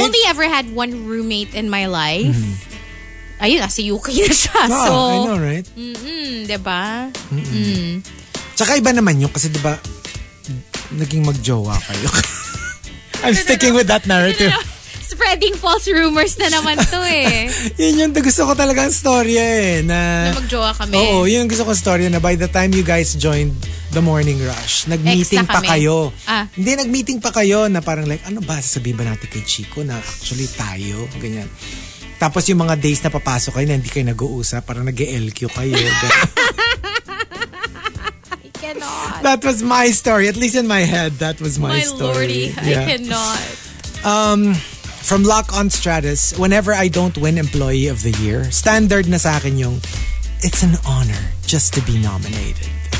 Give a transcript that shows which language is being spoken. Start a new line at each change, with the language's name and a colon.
English: I've only ever had one roommate in my life.
Filipino: Mm-hmm. Ayun, nasa UK na siya.
English: Oh, so, I know, right?
Filipino: Mm-mm, diba? Mm-mm. Mm. Tsaka iba naman yun kasi diba, naging mag-jowa kayo.
English: I'm sticking with that narrative. Spreading false rumors
Filipino: na naman to eh. Yun yung gusto ko talaga ang story eh. Na mag-jowa kami. Oo, yun yung gusto ko story na
English: by the time you guys joined The Morning Rush,
Filipino: nag-meeting na pa kayo. Ah. Hindi, nag-meeting pa kayo na parang like, ano ba, sasabihin ba natin kay Chico na actually tayo? Ganyan. Tapos yung mga days na papasok kayo na hindi kayo nag-uusap, parang nag-LQ kayo.
English: I cannot. That was my story. At least in my head, that was my story. My lordy, yeah. I cannot. From Lock on Stratus, whenever I don't win Employee of the Year,
Filipino: standard na sa akin yung,
English: it's an honor just to be nominated.